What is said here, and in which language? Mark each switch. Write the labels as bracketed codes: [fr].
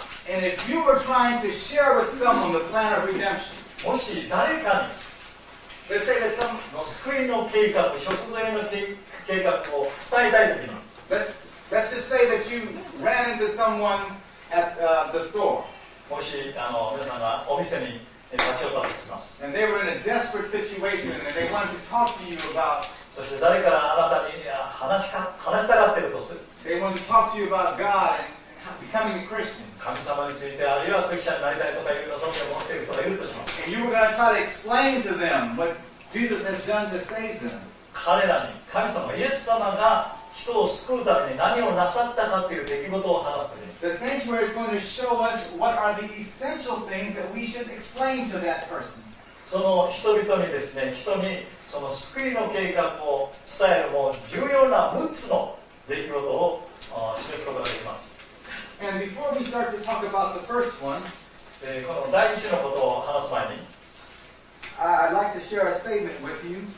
[en] And if you were trying to share with someone the plan of redemption, [ja] もし誰かに、 [en] let's say that some, [ja] 救いの計画、贖罪の計画を伝えたいときに、 [en] let's Let's just say that you ran into someone at the store. [ja] もし、皆さんがお店に立ち寄ったとします。 [en] And they were in a desperate situation and they wanted to talk to you about. [ja] そして誰からあなたに話したがっているとする。 [en] They wanted to talk to you about God and becoming a Christian. [ja] 神様について、あるいはクリスチャンになりたいとかいうのを思っている人がいるとします。 [en] And you were going to try to explain to them what Jesus has done to save them. [ja] 彼らに神様、イエス様が人を救うために何をなさったかという出来事を話すために。 [en] The sanctuary is going to show us what are the essential things that we should explain to that person. [ja] その人々にですね、人にその救いの計画を伝えるも重要な6つの出来事を示すことができます。 [en] And before we start to talk about the first one, [ja] この第一のことを話す前に、 [en] I'd like to share a statement with you.